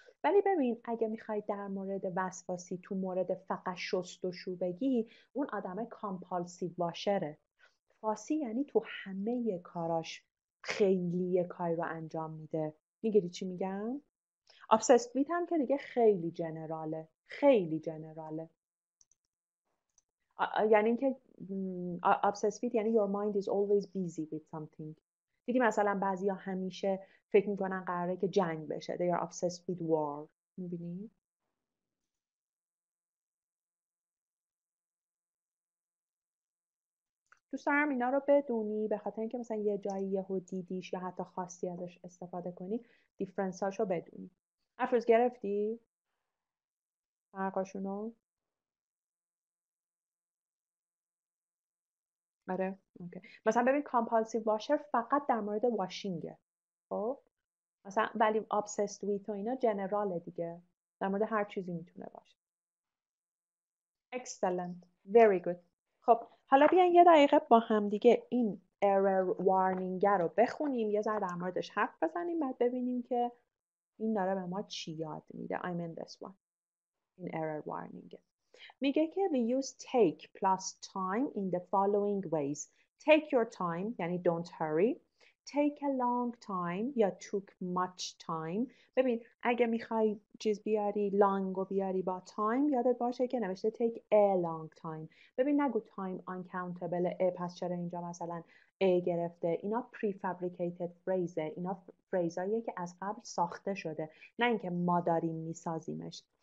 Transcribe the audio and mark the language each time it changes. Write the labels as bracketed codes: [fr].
[fa] ولی ببین اگه میخوای در مورد وسواسی تو مورد فقط شست و شو بگی اون آدم کامپالسیو واشره. فاسی یعنی تو همه کاراش خیلی کاری رو انجام میده. میگی چی میگم؟ obsessed with هم که دیگه خیلی جنراله. خیلی جنراله. [en] یعنی که obsessed with یعنی your mind is always busy with something. [fa] دیدی مثلا بعضی ها همیشه فکر میکنن قراره که جنگ بشه. [en] They are obsessed with war. [fa] میبینی؟ دوست دارم اینا رو بدونی به خاطر اینکه مثلا یه جایی یه دیدیش یا حتی خواستی ازش استفاده کنی دیفرنس هاش رو بدونی. افروز گرفتی؟ فرقاشون رو؟ آره؟ اوکی. مثلا ببین compulsive washer فقط در مورد واشینگه. خب؟ مثلا ولی obsessed with و اینا جنراله دیگه. در مورد هر چیزی میتونه باشه. [en] Excellent. Very good. [fa] خب حالا بیاین یه دقیقه با هم دیگه این error warning رو بخونیم. یه ذره در موردش حرف بزنیم. بعد ببینیم که این داره به ما چی یاد میده. [en] I'm in this one. این error warning. میگه که we use take plus time in the following ways. Take your time. یعنی don't hurry. take a long time یا took much time. [fa] ببین اگه میخوای چیز بیاری long و بیاری با time یادت باشه که نوشته [en] take a long time. [fa] ببین نگو time uncountable a پس چرا اینجا مثلا a گرفته. [en] اینا prefabricated phrase. [fa] اینا phrase‌هاییه که از قبل ساخته شده. نه اینکه ما داریم میسازیمش.